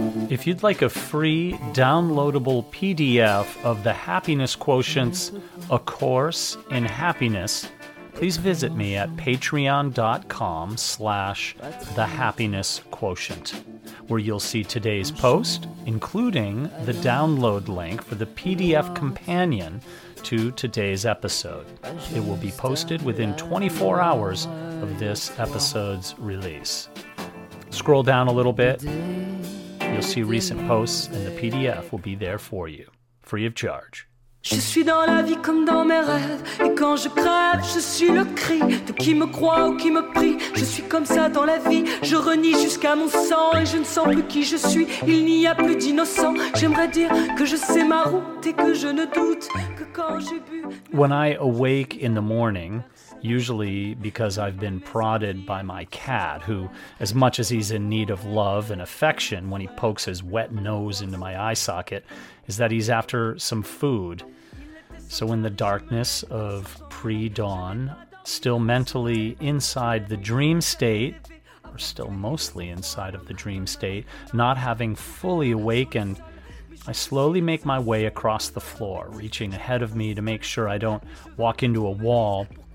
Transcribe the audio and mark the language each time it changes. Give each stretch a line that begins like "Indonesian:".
English: If you'd like a free downloadable PDF of The Happiness Quotient's A Course in Happiness, please visit me at patreon.com/thehappinessquotient, where you'll see today's post, including the download link for the PDF companion to today's episode. It will be posted within 24 hours of this episode's release. Scroll down a little bit, you'll see recent posts, and the PDF will be there for you, free of charge.
French: Je suis dans la vie comme dans mes rêves, et quand je crève, je suis le cri de qui me croit ou qui me prie. Je suis comme ça dans la vie, je renie jusqu'à mon sang, et je ne sens plus qui je suis, il n'y a plus d'innocent. J'aimerais dire que je sais ma route et que je ne doute que quand j'ai bu.
English: When I awake in the morning, usually because I've been prodded by my cat, who, as much as he's in need of love and affection when he pokes his wet nose into my eye socket, is that he's after some food. So in the darkness of pre-dawn, still mentally inside the dream state, or still mostly inside of the dream state, not having fully awakened, I slowly make my way across the floor, reaching ahead of me to make sure I don't walk into a wall.